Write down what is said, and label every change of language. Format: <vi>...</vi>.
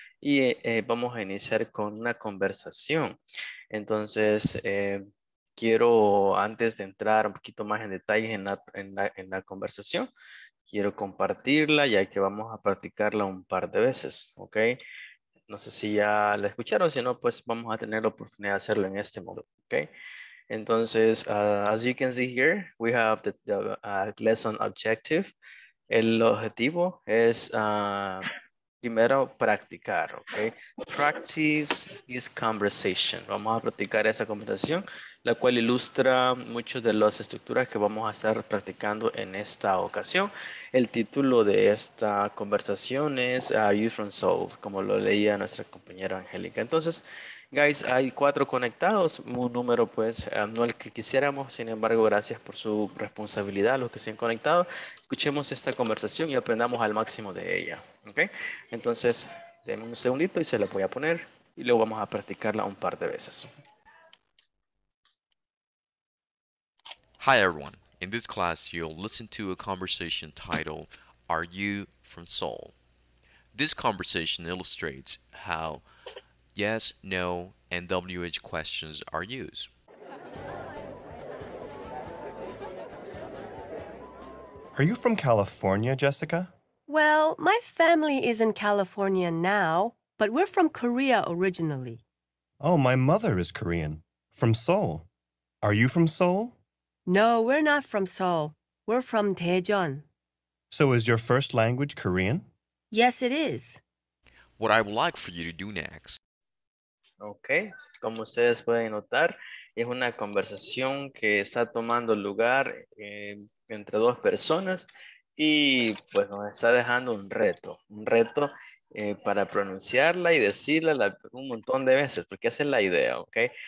<es>Y vamos a iniciar con una conversación. Entonces, quiero antes de entrar un poquito más en detalle en la conversación, quiero compartirla ya que vamos a practicarla un par de veces, ¿ok? No sé si ya la escucharon, si no, pues vamos a tener la oportunidad de hacerlo en este modo, ¿ok?</es> <en>Entonces, as you can see here, we have the lesson objective.</en> <es>El objetivo es primero practicar, ¿ok?</es> <en>Practice this conversation.</en> <es>Vamos a practicar esa conversación, la cual ilustra muchas de las estructuras que vamos a estar practicando en esta ocasión. El título de esta conversación es Are You From Seoul, como lo leía nuestra compañera Angélica. Entonces, guys, hay 4 conectados, un número pues no el que quisiéramos, sin embargo, gracias por su responsabilidad a los que se han conectado. Escuchemos esta conversación y aprendamos al máximo de ella, ¿ok? Entonces, denme un segundito y se la voy a poner y luego vamos a practicarla un par de veces.</es> <en>Hi, everyone. In this class, you'll listen to a conversation titled, Are You from Seoul? This conversation illustrates how yes, no, and WH questions are used. Are you from California, Jessica? Well, my family is in California now, but we're from Korea originally. Oh, my mother is Korean, from Seoul. Are you from Seoul? No, we're not from Seoul. We're from Daejeon. So is your first language Korean? Yes, it is. What I would like for you to do next.</en> <es>Okay, como ustedes pueden notar, es una conversación que está tomando lugar entre dos personas y pues nos está dejando un reto para pronunciarla y decirla un montón de veces, porque esa es la idea, ¿ok?</es>